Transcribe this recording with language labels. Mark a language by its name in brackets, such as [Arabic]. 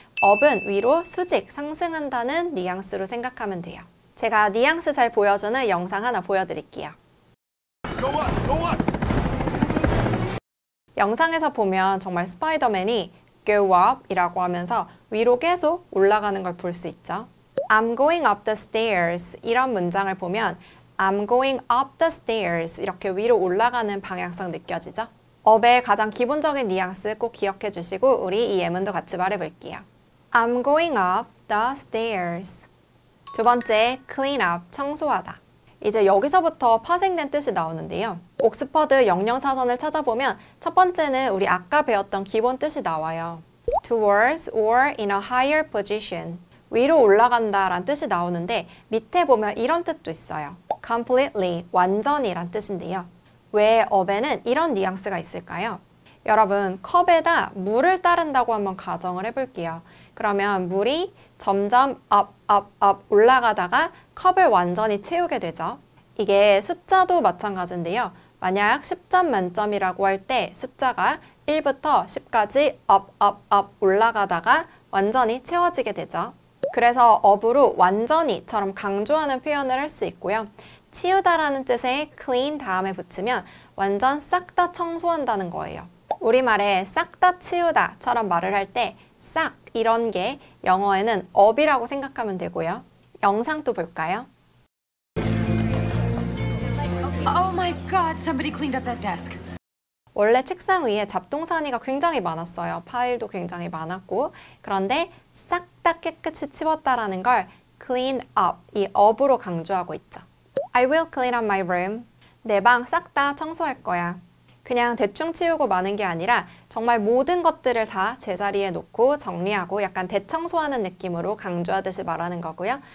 [Korean] 업은 위로 수직, 상승한다는 뉘앙스로 생각하면 돼요. 제가 뉘앙스 잘 보여주는 영상 하나 보여드릴게요. 영상에서 보면 정말 스파이더맨이 go up이라고 하면서 위로 계속 올라가는 걸볼수 있죠. [English] I'm going up the stairs [Korean] 이런 문장을 보면 [English] I'm going up the stairs [Korean] 이렇게 위로 올라가는 방향성 느껴지죠? 업의 가장 기본적인 뉘앙스 꼭 기억해 주시고 우리 이 예문도 같이 말해 볼게요. [English] I'm going up the stairs. [Korean] 두 번째, [English] clean up, [Korean] 청소하다. 이제 여기서부터 파생된 뜻이 나오는데요. 옥스퍼드 영영사전을 찾아보면 첫 번째는 우리 아까 배웠던 기본 뜻이 나와요. [English] Towards or in a higher position. [Korean] 위로 올라간다란 뜻이 나오는데 밑에 보면 이런 뜻도 있어요. Completely, 완전히란 뜻인데요. 왜 업에는 이런 뉘앙스가 있을까요? 여러분, 컵에다 물을 따른다고 한번 가정을 해볼게요. 그러면 물이 점점 up, up, up 올라가다가 컵을 완전히 채우게 되죠. 이게 숫자도 마찬가지인데요. 만약 10점 만점이라고 할때 숫자가 1부터 10까지 up, up, up 올라가다가 완전히 채워지게 되죠. 그래서 up으로 완전히처럼 강조하는 표현을 할수 있고요. 치우다라는 뜻의 clean 다음에 붙이면 완전 싹다 청소한다는 거예요. 우리말에 싹다 치우다처럼 말을 할때싹 이런 게 영어에는 업이라고 생각하면 되고요. 영상 또 볼까요? [English] Oh my God, somebody cleaned up that desk. [Korean] 원래 책상 위에 잡동사니가 굉장히 많았어요. 파일도 굉장히 많았고. 그런데 싹다 깨끗이 치웠다라는 걸 clean up, 이 업으로 강조하고 있죠. [English] I will clean up my room. [Korean] 내방싹다 청소할 거야. 그냥 대충 치우고 마는 게 아니라 정말 모든 것들을 다 제자리에 놓고 정리하고 약간 대청소하는 느낌으로 강조하듯이 말하는 거고요.